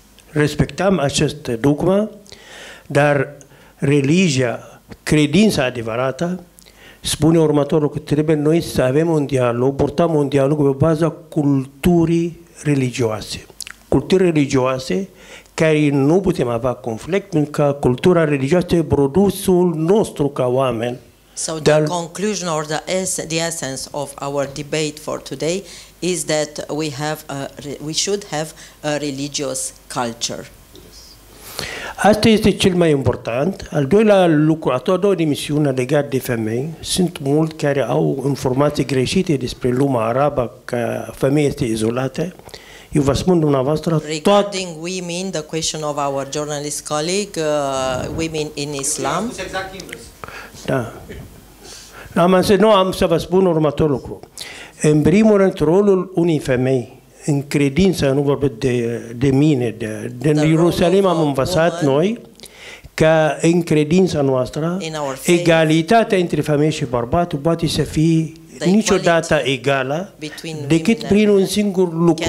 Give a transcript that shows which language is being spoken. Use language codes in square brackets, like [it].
[ro] Respectăm acest dogma, dar religia, credința adevărată, spune următorul că trebuie noi să avem un dialog, portăm un dialog pe baza culturii religioase. Culturi religioase care nu putem avea conflict, pentru că cultura religioasă e produsul nostru ca oameni. [en] So the conclusion or the essence of our debate for today is that we should have a religious culture. [ro] Asta este cel mai important. Al doilea lucru, a doua dimensiune legată de femei, sunt mulți care au informații greșite despre lumea arabă, că femeia este izolată. Eu vă spun dumneavoastră, [en] regarding women, the question of our journalist colleague, women in Islam. [ro] Da. Am să vă spun următorul lucru. În primul rând, rolul unei femei în credință, nu vorbesc de mine, de Ierusalim, am învățat noi că în credința noastră, egalitatea între femei și bărbați poate să fie niciodată egală decât prin un singur lucru.